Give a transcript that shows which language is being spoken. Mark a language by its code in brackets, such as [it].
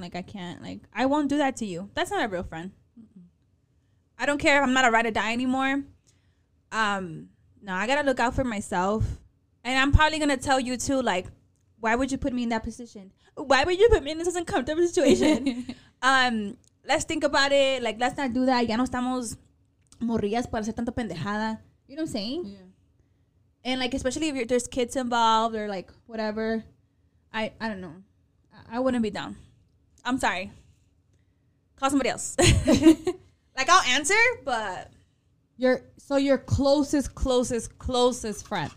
[en] Like, I can't, like, I won't do that to you. That's not a real friend. Mm-hmm. I don't care if I'm not a ride or die anymore. No, I gotta look out for myself. And I'm probably gonna tell you, too, like, why would you put me in that position? Why would you put me in this uncomfortable situation? Let's think about it. Like, let's not do that. [es] Ya no estamos morrillas para hacer tanta pendejada. [en] You know what I'm saying? Yeah. And, like, especially if there's kids involved or, like, whatever. I don't know. I wouldn't be down. I'm sorry. Call somebody else. Like, I'll answer, but... Your closest friend.